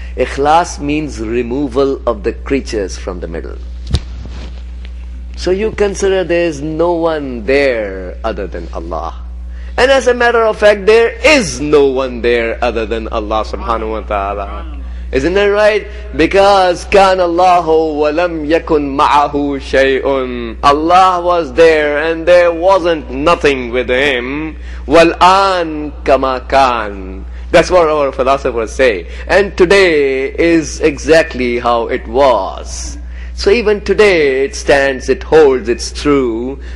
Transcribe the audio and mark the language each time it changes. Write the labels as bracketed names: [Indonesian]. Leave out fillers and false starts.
[English] Ikhlas means removal of the creatures from the middle. So you consider there is no one there other than Allah. And as a matter of fact, there is no one there other than Allah subhanahu wa ta'ala. Isn't that right? [Arabic] Because كان الله ولم يكن معه شيء. [English] Allah was there and there wasn't nothing with him. [Arabic] والآن كما كان. [English] That's what our philosophers say. And today is exactly how it was. So even today it stands, it holds, it's true.